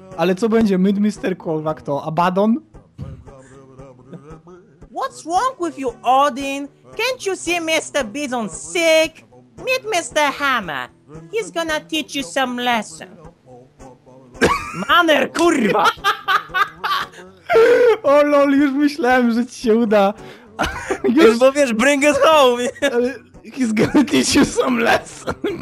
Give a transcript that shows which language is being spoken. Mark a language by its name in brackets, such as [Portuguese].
[Polish] Ale co będzie? [English] Meet Mr. Kowak to? [Polish] Abaddon? [English] What's wrong with you, Odin? Can't you see Mr. Bizon sick? Meet Mr. Hammer. He's gonna teach you some lesson. Manner, [Polish] kurwa! O lol, już myślałem, że ci się uda. Już bo wiesz, [English] bring us home. He's gonna teach you some lesson.